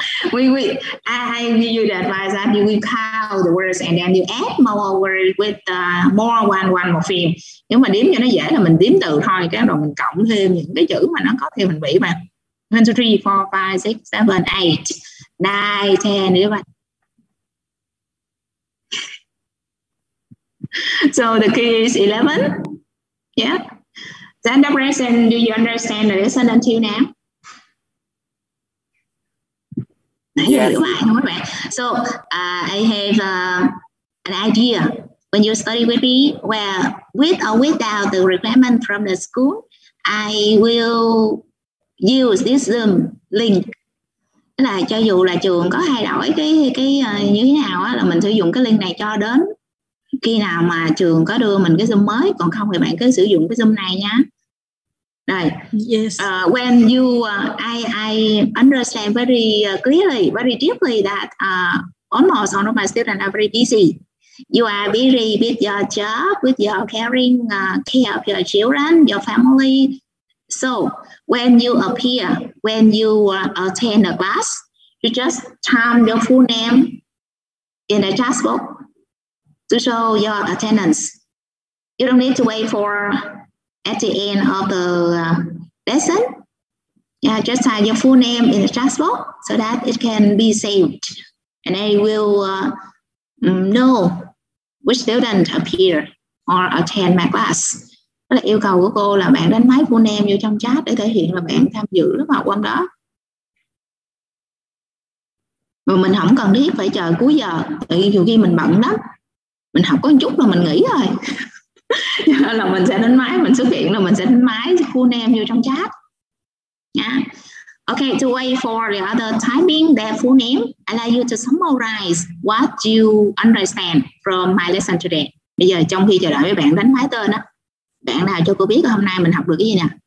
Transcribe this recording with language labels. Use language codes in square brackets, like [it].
[en] I give you the advice that you will count the words and then you add more words with more one morpheme. [vi] Nếu mà đếm cho nó dễ là mình đếm từ thôi, cái rồi mình cộng thêm những cái chữ mà nó có thêm mình bị mà. 1, 2, 3, 4, 5, 6, 7, 8, 9, 10, nếu mà. [en] So the key is 11. Yeah. Stand up, rest, and do you understand the lesson until now? Yes. So I have an idea. When you study with me, well, with or without the requirement from the school, I will use this Zoom link. [vi] Là cho dù là trường có thay đổi như thế nào á, là mình sử dụng cái link này cho đến khi nào mà trường có đưa mình cái Zoom mới. Còn không thì bạn cứ sử dụng cái Zoom này nha. Đây. [en] Yes. When you I understand very clearly, very deeply that almost all of my students are very busy. You are busy with your job, with your caring care of your children, your family. So when you appear, when you attend a class, you just type your full name in the chat box to show your attendance. You don't need to wait for at the end of the lesson. Yeah, just type your full name in the chat box so that it can be saved. And they will know which student appear or attend my class. [vi] Đó là yêu cầu của cô là bạn đánh máy full name vô trong chat để thể hiện là bạn tham dự lớp học hôm đó. Và mình không cần thiết phải chờ cuối giờ. Tại vì nhiều khi mình bận lắm. Mình học có một chút là mình nghỉ rồi. Là mình sẽ đánh máy, mình xuất hiện là mình sẽ đánh máy full name vô trong chat. [en] Yeah. Okay, to wait for the other typing, their full name, allow you to summarize what you understand from my lesson today. [vi] Bây giờ trong khi chờ đợi với bạn đánh máy tên á, bạn nào cho cô biết hôm nay mình học được cái gì nè?